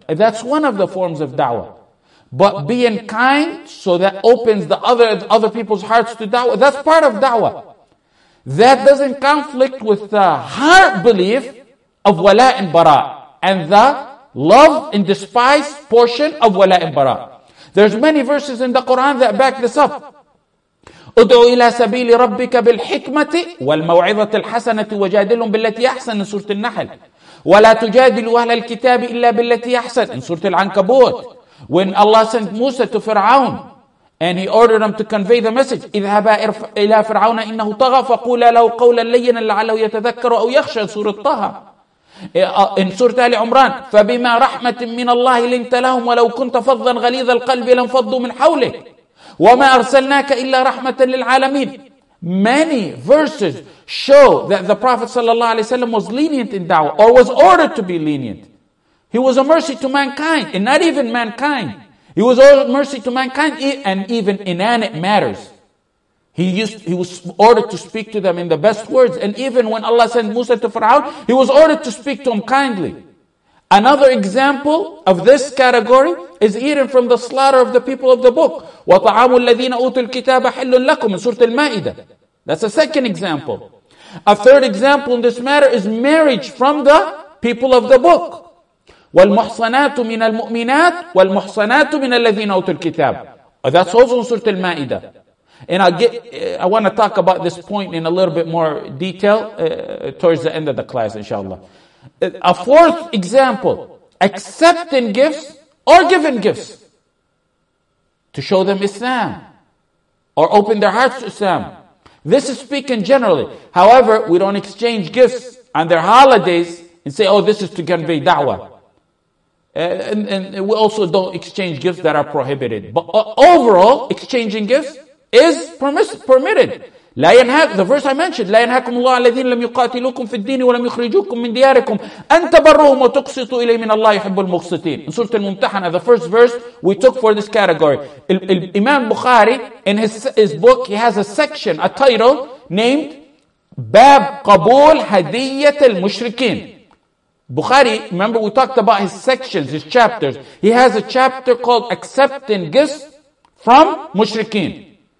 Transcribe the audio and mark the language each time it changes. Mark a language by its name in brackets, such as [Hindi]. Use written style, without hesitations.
[English] And that's one of the forms of da'wah. But being kind, so that opens the other people's hearts to da'wah, that's part of da'wah. That doesn't conflict with the heart belief of wala and bara. And the love and despise portion of wala and bara. There's many verses in the Quran that back this up. [Arabic] ادعو إلى سبيل ربك بالحكمة والموعظة الحسنة وجادلهم بالتي أحسن من سورة النحل ولا تجادل أهل الكتاب إلا بالتي أحسن من سورة العنكبوت. [English] When Allah sent Musa to Fir'aun and he ordered him to convey the message, [Arabic] اذهبا إلى فرعون إنه طغى فقولا له قولا لينا لعله يتذكر أو يخشى سورة طه. [English] In Surah Al-Imran, [Arabic] فَبِمَا رَحْمَةٍ مِّنَ اللَّهِ لِنْتَ لَهُمْ وَلَوْ كُنْتَ فَضًّا غَلِيظَ الْقَلْبِ لَنْفَضُّوا مِنْ حَوْلِكَ وَمَا أَرْسَلْنَاكَ إِلَّا رَحْمَةً لِلْعَالَمِينَ. [English] Many verses show that the Prophet ﷺ was lenient in da'wah, or was ordered to be lenient. He was a mercy to mankind, and not even mankind. He was a mercy to mankind, and even inanimate matters. He was ordered to speak to them in the best words. And even when Allah sent Musa to Fir'aun, he was ordered to speak to him kindly. Another example of this category is eaten from the slaughter of the people of the book. [Arabic] وَطَعَامُ الَّذِينَ أُوتُوا الْكِتَابَ حِلٌّ لَكُمْ [English] in Surah Al-Ma'idah. That's a second example. A third example in this matter is marriage from the people of the book. [Arabic] وَالْمُحْصَنَاتُ مِنَ الْمُؤْمِنَاتُ وَالْمُحْصَنَاتُ مِنَ الَّذِينَ أُوتُوا الْكِتَابَ. [English] That's also in Surah Al-Ma'idah. And I want to talk about this point in a little bit more detail towards the end of the class, inshallah. A fourth example, accepting gifts or giving gifts to show them Islam or open their hearts to Islam. This is speaking generally. However, we don't exchange gifts on their holidays and say, oh, this is to convey da'wah. And we also don't exchange gifts that are prohibited. But overall, exchanging gifts is permitted. [Arabic] لا ينهاك, [English] the verse I mentioned, [Arabic] لا ينهاكم الله الذين لم يقاتلوكم في الدين ولم يخرجوكم من دياركم أن تبروهم وتقسطوا إليه من الله يحب المقسطين. [English] In Surah Al-Mumtahana, the first verse we took for this category. Imam Bukhari, in his book, he has a section, a title, named Bab [Arabic] قبول هدية المشركين. [English] Bukhari, remember we talked about his sections, his chapters. He has a chapter called Accepting Gifts from Mushrikeen.